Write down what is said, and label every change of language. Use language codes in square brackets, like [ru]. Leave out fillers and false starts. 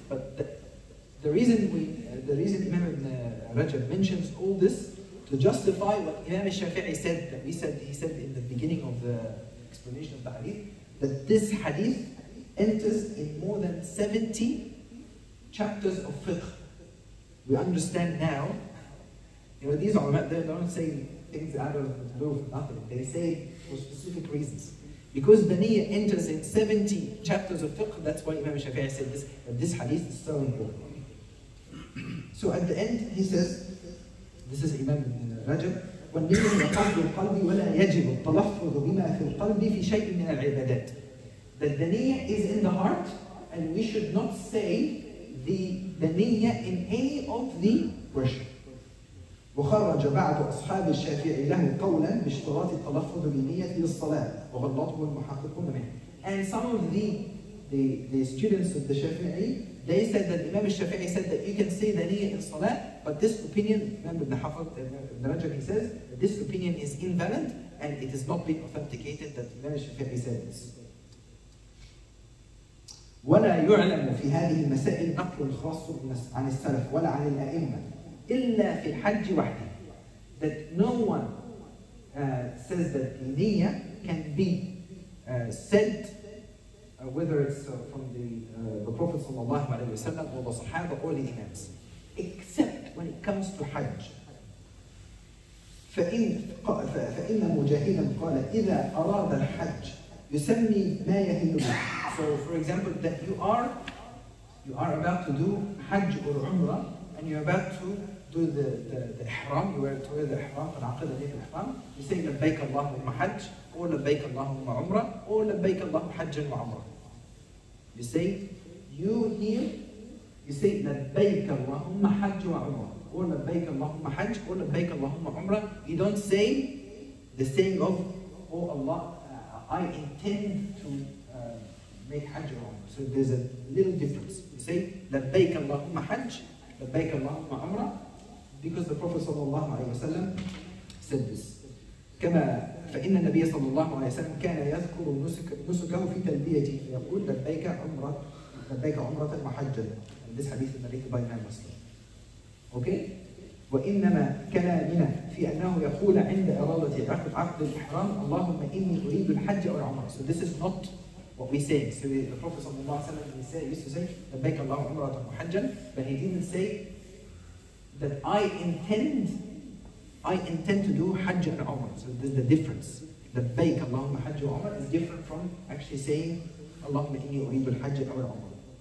[en] But the reason Imam Ibn Rajab mentions all this to justify what Imam Shafi'i said, that he said in the beginning of the explanation of the hadith, that this hadith enters in more than 70 chapters of fiqh. We understand now, you know, these ulama, they don't say things out of the blue, nothing. They say for specific reasons. Because the niyyah enters in 70 chapters of fiqh, that's why Imam Shafi'i said this, that this hadith is so important. So at the end, he says, this is Imam Rajab, [ar] والنية قلب القلب ولا يجب التلفظ بما في القلب في شيء من العبادات. [en] That the niyyah is in the heart, and we should not say the niyyah in any of the worship. [ar] وخرج بعض أصحاب الشافعي له قولا باشتراط التلفظ بالنية للصلاة وغلطه المحققون منه. [en] And some of the students of the Shafi'i, they said that Imam al-Shafi'i said that you can say the niyyah in salah, but this opinion, remember Ibn Hafiz, Ibn Rajab, he says, this opinion is invalid and it has not been authenticated that Imam al-Shafi'i said this. [ar] ولا يعلم في هذه المسائل نقل خاص عن السلف ولا عن الأئمة إلا في الحج وحده. [en] That no one says that the niyyah can be said, whether it's from the Prophet sallallahu alaihi wasallam or the Sahaba or the Imams, except when it comes to Hajj. [ar] فإن مجاهدا قال إذا أراد الحج يسمي ما يهمه. [en] So for example, that you are about to do Hajj or Umrah, and you're about to do the ihram, you were to wear the ihram, and [ar] عقد عليك الإحرام. [en] You say [ar] لبيك اللهم حج or لبيك اللهم عمرة or لبيك اللهم حج وعمرة. [en] You say you here, you say [ar] لبيك اللهم حج وعمرة or لبيك اللهم حج or لبيك اللهم عمرة. [en] You don't say the saying of oh Allah, I intend to make Hajj or Umrah. So there's a little difference. You say [ar] لبيك اللهم حج لبيك اللهم عمرة [en] because the Prophet [ar] صلى الله عليه وسلم [en] said this. [ar] كما فإن النبي صلى الله عليه وسلم كان يذكر نسكه في تلبيته فيقول لبيك عمرة لبيك عمرة وحجا. [en] This hadith in the Sahih by Imam Muslim. Okay. [ar] وإنما كلامنا في أنه يقول عند إرادة عقد الإحرام اللهم إني أريد الحج أو العمرة. [en] So this is not what we say. So the Prophet صلى الله عليه وسلم used to say [ar] لبيك اللهم عمرة وحجا, [en] but he didn't say that I intend to do Hajj and Umrah. So this is the difference. [ar] لبيك اللهم حج وعمرة [en] is different from actually saying [ar] اللهم إني أريد الحج أو العمرة.